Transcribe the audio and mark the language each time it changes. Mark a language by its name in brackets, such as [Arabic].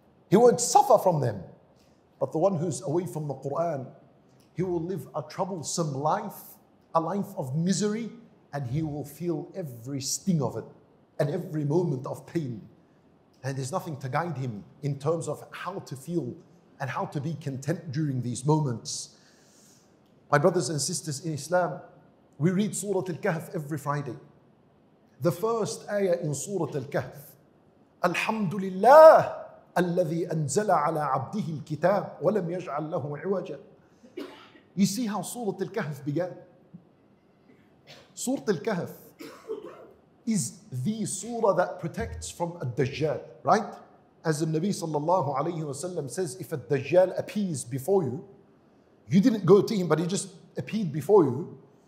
[English] He won't suffer from them. But the one who's away from the Qur'an, he will live a troublesome life, a life of misery, and he will feel every sting of it and every moment of pain. And there's nothing to guide him in terms of how to feel and how to be content during these moments. My brothers and sisters in Islam, we read Surah Al-Kahf every Friday. The first ayah in Surah Al-Kahf, Alhamdulillah, [Arabic] الذي أنزل على عبده الكتاب ولم يجعل له عوجا. [English] You see how Surah Al-Kahf began. Surah Al-Kahf is the surah that protects from Ad-Dajjal, right? As the Nabi sallallahu alayhi wa sallam says, if Ad-Dajjal appears before you, you didn't go to him, but he just appeared before you.